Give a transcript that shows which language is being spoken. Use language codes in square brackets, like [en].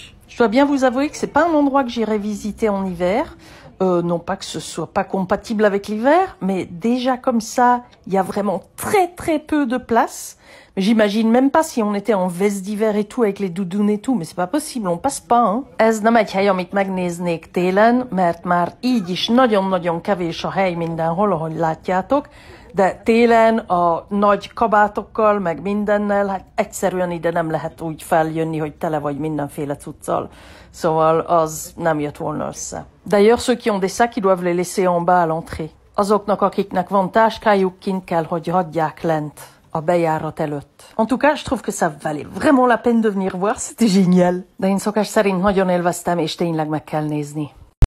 [fr] Je dois bien vous avouer que c'est pas un endroit que j'irai visiter en hiver. Non pas que ce soit pas compatible avec l'hiver, mais déjà comme ça, il y a vraiment très très peu de place. J'imagine même pas si on était en veste d'hiver et tout avec les doudounes et tout, mais c'est pas possible, on passe pas, hein. [hu] Ez nem egy hely, amit megnéznék télen, mert már így is nagyon-nagyon kevés a hely mindenhol, ahogy látjátok, de télen a nagy kabátokkal, meg mindennel, hát egyszerűen ide nem lehet úgy feljönni, hogy tele vagy mindenféle cuccal. Szóval az nem jött volna össze. [fr] D'ailleurs, ceux qui ont des sacs, ils doivent les laisser en bas à l'entrée. [hu] Azoknak, akiknek van táskájuk, kint kell, hogy hagyják lent. A bejárat előtt. [fr] En tout cas, je trouve que ça valait vraiment la peine de venir voir, c'était génial. [hu] De én szokás szerint nagyon élveztem, és tényleg meg kell nézni.